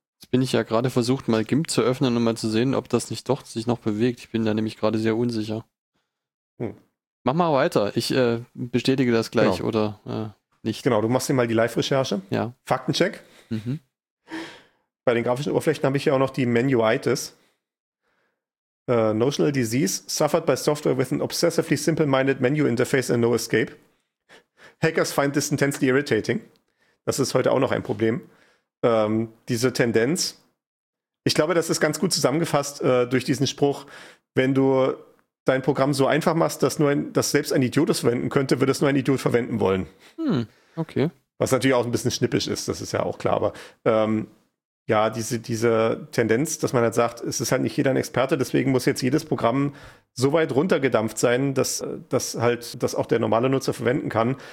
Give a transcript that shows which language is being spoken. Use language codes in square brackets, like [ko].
[de] Jetzt bin ich ja gerade versucht, mal GIMP zu öffnen und mal zu sehen, ob das nicht doch sich noch bewegt. Ich bin da nämlich gerade sehr unsicher. Mach mal weiter, ich bestätige das gleich oder nicht. Genau, du machst dir mal die Live-Recherche. Ja. Faktencheck. Mhm. Bei den grafischen Oberflächen habe ich ja auch noch die Menuitis. [en] Notional Disease suffered by software with an obsessively simple-minded menu interface and no escape. Hackers find this intensely irritating. [de] Das ist heute auch noch ein Problem. Diese Tendenz. Ich glaube, das ist ganz gut zusammengefasst durch diesen Spruch, wenn du dein Programm so einfach machst, dass selbst ein Idiot es verwenden könnte, würde es nur ein Idiot verwenden wollen. Hm, okay. Was natürlich auch ein bisschen schnippisch ist, das ist ja auch klar. Aber ja, diese Tendenz, dass man halt sagt, es ist halt nicht jeder ein Experte, deswegen muss jetzt jedes Programm so weit runtergedampft sein, dass auch der normale Nutzer verwenden kann.